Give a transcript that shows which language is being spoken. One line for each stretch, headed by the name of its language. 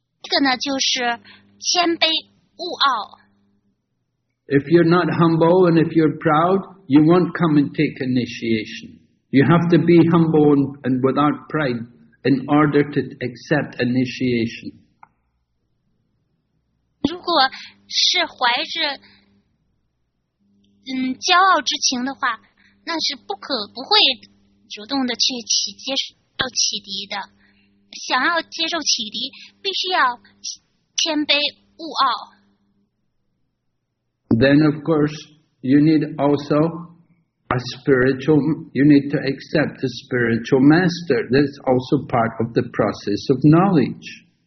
Chinese: 所以就提到了二十种，二十个，有二十个元素，就是知识的二十个元素。第一个呢，就是谦卑勿傲。
English: If you're not humble and if you're proud, you won't come and take initiation. You have to be humble and without pride in order to accept initiation.
Chinese: 如果是怀着骄傲之情的话，那是不会主动的去接受启迪的。想要接受启迪，必须要谦卑勿傲。
English: Then of course you need also a spiritual, you need to accept the spiritual master. That's also part of the process of knowledge.